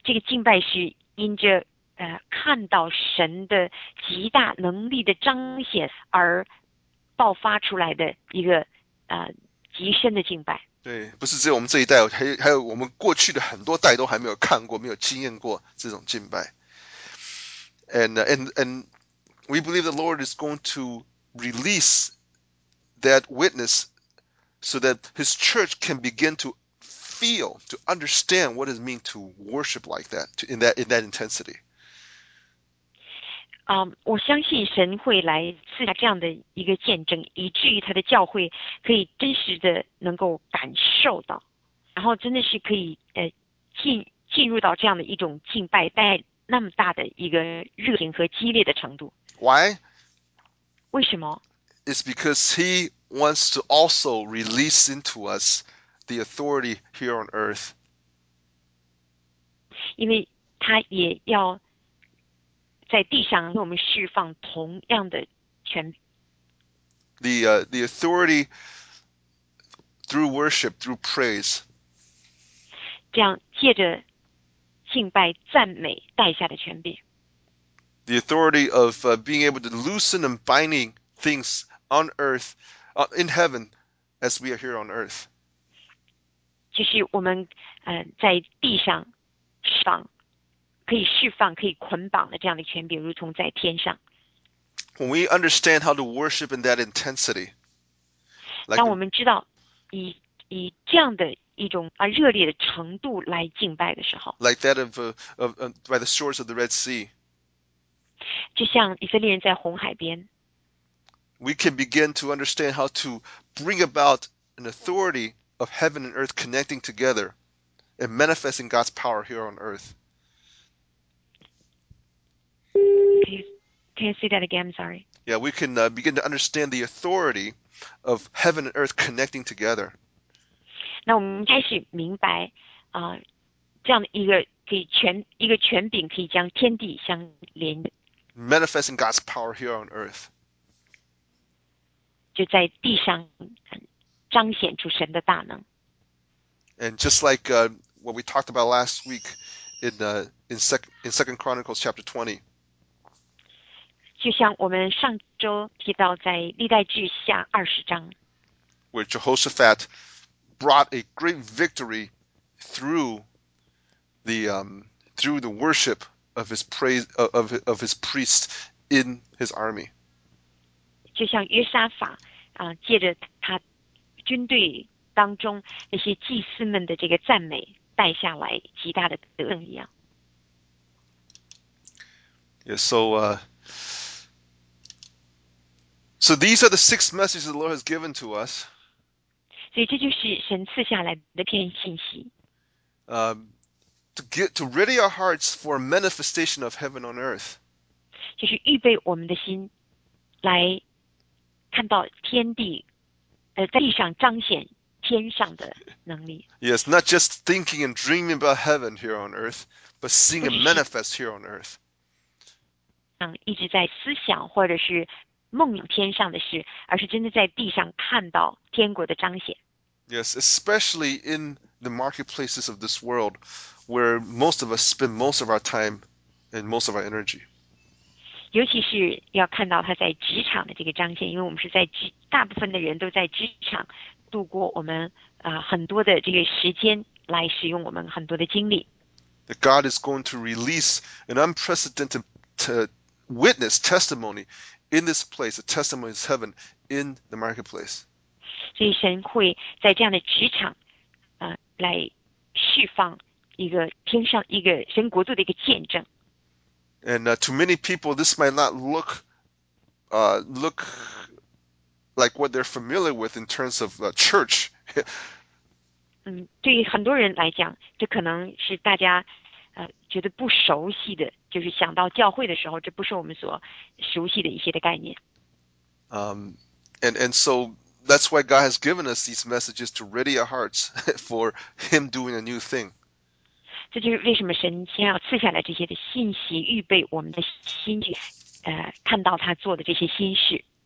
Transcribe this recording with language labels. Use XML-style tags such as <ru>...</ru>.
<zh>这个敬拜是因着看到神的极大能力的彰显而爆发出来的一个极深的敬拜。对，不是只有我们这一代，还有我们过去的很多代都还没有看过，没有经验过这种敬拜。</zh> <en>And we believe the Lord is going to release that witness so that His church can begin to feel, to understand what it means to worship like that, in that intensity.</en> <zh>我相信神会来赐下这样的一个见证，以至于他的教会可以真实的能够感受到，然后真的是可以进入到这样的一种敬拜带那么大的一个热情和激烈的程度。</zh> <en>Why?</en> <zh>为什么？</zh> <en>It's because He wants to also release into us the authority here on earth.</en> <zh>因为他也要在地上给我们释放同样的权。</zh> <en>The authority through worship, through praise.</en> <zh>这样借着敬拜赞美带下的权柄。</zh> <en>the authority of being able to loosen and binding things on earth, in heaven, as we are here on earth.</en> <zh>就是我们在地上释放，可以释放，可以捆绑的这样的权柄，如同在天上。</zh> <en>When we understand how to worship in that intensity,</en> <zh>当我们知道以这样的一种热烈的程度来敬拜的时候</zh> <en>，like that of by the shores of the Red Sea,</en> <zh>就像以色列人在红海边</zh> <en>，we can begin to understand how to bring about an authority of heaven and earth connecting together and manifesting God's power here on earth. Can you say that again? I'm sorry. Yeah, we can begin to understand the authority of heaven and earth connecting together.</en> <zh>那我们开始明白这样的一个权柄可以将天地相连。</zh> <en>Manifesting God's power here on earth.</en> <zh>就在地上彰显出神的大能。</zh> <en>And just like what we talked about last week in Second Chronicles chapter 20.</en> <zh>就像我们上周提到在历代志下二十章</zh> <en>where Jehoshaphat brought a great victory through the worship of his praise of his priests in his army.</en> <zh>就像约沙法借着他军队当中那些祭司们的这个赞美带下来极大的得胜一样。</zh> <en>Yeah, So these are the six messages the Lord has given to us.</en> <zh>所以这就是神赐下来的篇信息。</zh> <en>To ready our hearts for a manifestation of heaven on earth.</en> <zh>就是预备我们的心来看到天地在地上彰显天上的能力。</zh> <en>Yes, not just thinking and dreaming about heaven here on earth, but seeing it manifest here on earth.</en> <zh>一直在思想或者是梦有天上的事，而是真的在地上看到天国的彰显。</zh> <en>Yes, especially in the marketplaces of this world, where most of us spend most of our time and most of our energy.</en> <zh>尤其是要看到他在职场的这个彰显，因为我们是在大部分的人都在职场度过我们很多的这个时间，来使用我们很多的精力。</zh> <en>That God is going to release an unprecedented witness testimony. In this place, a testimony is heaven in the marketplace.</en> <zh>所以神会在这样的职场，来释放一个天上一个神国度的一个见证。</zh> <en>And to many people, this might not look like what they're familiar with in terms of church.</en> <zh>对于很多人来讲，这可能是大家觉得不熟悉的。就是想到教会的时候，这不是我们所熟悉的一些的概念。</zh> <en>And so that's why God has given us these messages to ready our hearts for Him doing a new thing.</en> <zh>这就是为什么神先要赐下来这些的信息，预备我们的心去看到他做的这些新事。</zh>